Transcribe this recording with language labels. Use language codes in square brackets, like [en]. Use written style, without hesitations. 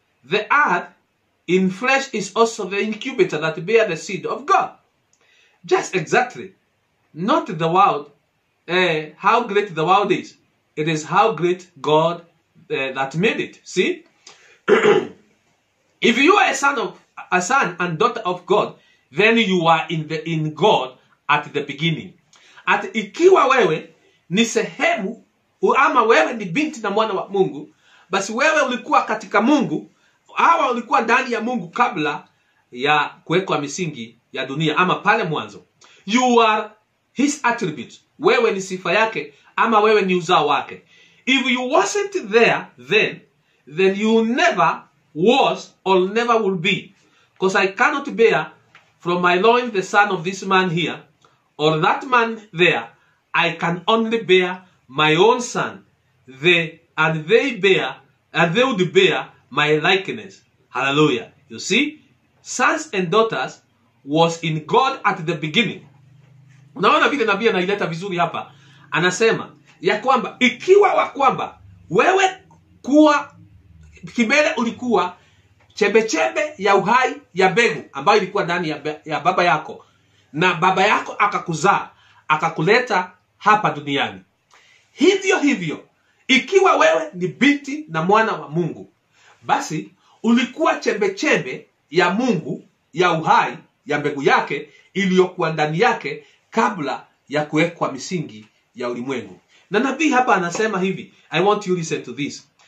[en] The earth in flesh is also the incubator that bear the seed of God. Just exactly. Not the world. How great the world is. It is how great God that made it. See? If you are a son of a son and daughter of God, then you are in the in God at the beginning. [sw] At ikiwa wewe ni sehemu ama wewe ni binti na mwana wa Mungu, basi wewe ulikuwa katika Mungu, hawa ulikuwa ndani ya Mungu kabla ya kuwekwa misingi ya dunia ama pale mwanzo. [en] You are his attribute. [sw] Wewe ni sifa yake ama wewe ni uzao wake. [en] If you wasn't there then you never was or never will be. Because I cannot bear from my loins the son of this man here or that man there. I can only bear my own son. They would bear my likeness. Hallelujah. You see, sons and daughters was in God at the beginning. [sw] Naona vile nabii anaileta vizuri hapa. Anasema ya kwamba ikiwa wa kwamba wewe kuwa kimele ulikuwa chembe ya uhai ya begu ambayo ilikuwa ndani ya baba yako, na baba yako akakuzaa akakuleta hapa duniani, hivyo ikiwa wewe ni binti na mwana wa Mungu, basi ulikuwa chembe ya Mungu ya uhai ya begu yake iliyokuwa ndani yake kabla ya kuwekwa misingi ya ulimwengu. Na nabii hapa anasema hivi, [en] I want you to listen to this.